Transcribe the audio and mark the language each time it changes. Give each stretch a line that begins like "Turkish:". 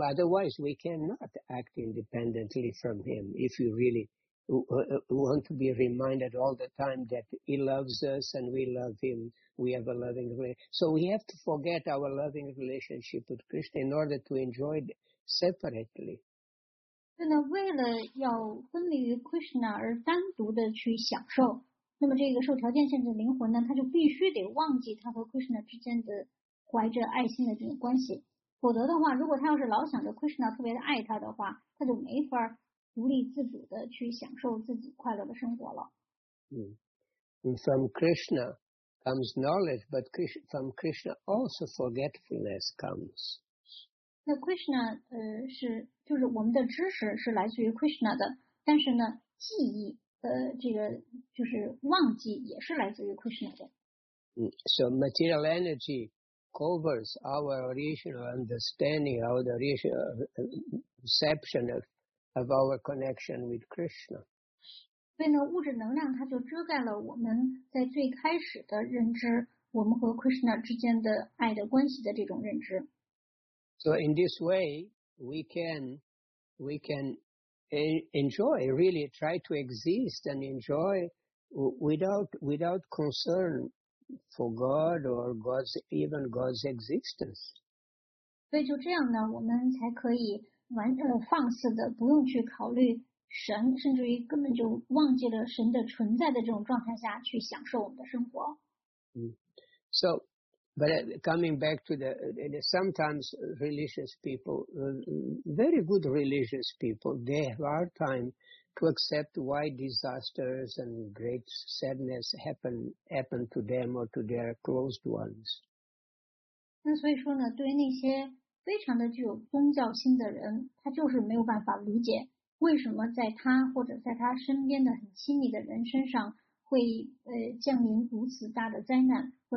English: Otherwise, we cannot act independently from him if we really want to be reminded all the time that he loves us and we love him. We have a loving relationship. So we have to forget our loving relationship with Krishna in order to enjoy it separately.
Chinese: 那为了要分离于 Krishna 而单独的去享受，那么这个受条件限制的灵魂呢，他就必须得忘记他和 Krishna 之间的怀着爱心的这种关系，否则的话，如果他要是老想着 Krishna 特别的爱他的话，他就没法独立自主的去享受自己快乐的生活了。
English: From Krishna comes knowledge, but from Krishna also forgetfulness comes.
Chinese: 那 Krishna 是就是我们的知识是来自于 Krishna 的，但是呢，记忆这个就是忘记也是来自于 Krishna 的。
English: So material energy covers our original understanding, our original perception of our connection with Krishna.
Chinese: 所以呢，物质能量它就遮盖了我们在最开始的认知，我们和 Krishna 之间的爱的关系的这种认知。
English: So in this way, we can enjoy, really try to exist and enjoy without concern for God or God's existence.
Chinese: 所以就这样呢，我们才可以完放肆的不用去考虑神，甚至于根本就忘记了神的存在的这种状态下去享受我们的生活。
English: So. But coming back to the sometimes religious people, very good religious people, they have hard time to accept why disasters and great sadness happen to them or to their closed ones.
Chinese: 那所以说呢，对于那些非常的具有宗教心的人，他就是没有办法理解为什么在他或者在他身边的很亲密的人身上会降临如此大的灾难。